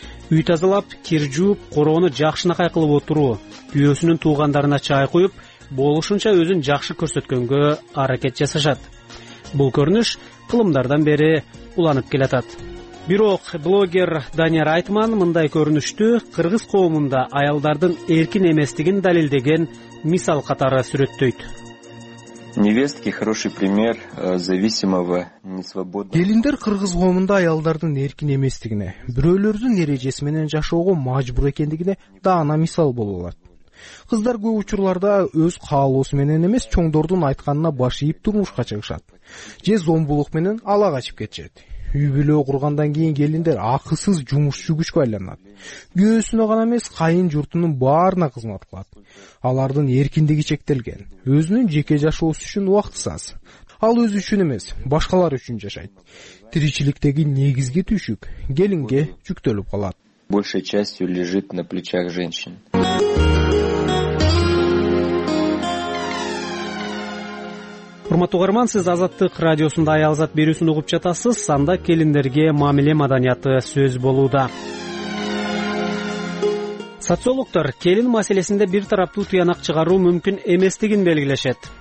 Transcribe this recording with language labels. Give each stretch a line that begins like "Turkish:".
Kyrgyz: Үй тазалап, кир жууп, короону жакшынакай кылып отуруу, күйөөсүнүн туугандарына чай куюп, болушунча өзүн жакшы көрсөткөнгө аракет жасашат. Бул көрүнүш кылымдардан бери уланып келатат. Бирок блогер Данияр Айтман мындай көрүнүштү кыргыз коомунда аялдардын эркин эместигин далилдеген мисал катары сүрөттөйт.
Russian: Невестки хороший пример зависимого несвободного.
Kyrgyz: Келиндер кыргыз коомунда аялдардын эркин эместигине, бирөөлөрдүн эрежеси менен жашоого мажбур экендигине даана мисал боло алат. Кыздар көп учурларда өз каалоосу менен эмес, чоңдордун айтканына баш ийип турмушка чыгышат же зомбулук менен ала качып кетишет. Үй бүлө кургандан кийин келиндер акысыз жумушчу күчкө айланат. Күйөөсүнө гана эмес, кайын журтунун баарына кызмат кылат. Алардын эркиндиги чектелген, өзүнүн жеке жашоосу үчүн убактысы аз. Ал өз үчүн эмес, башкалар үчүн жашайт. Тиричиликтеги негизги түшүк келинге жүктөлүп калат.
Russian: Большая часть лежит на плечах женщин.
Kyrgyz: Урматтуу угарман, сиз Азаттык радиосунда аялзат берүүсүн угуп жатасыз. Анда келиндерге мамиле маданияты сөз болууда. Социологтор келин маселесинде бир тараптуу тыянак чыгаруу мүмкүн эместигин белгилешет.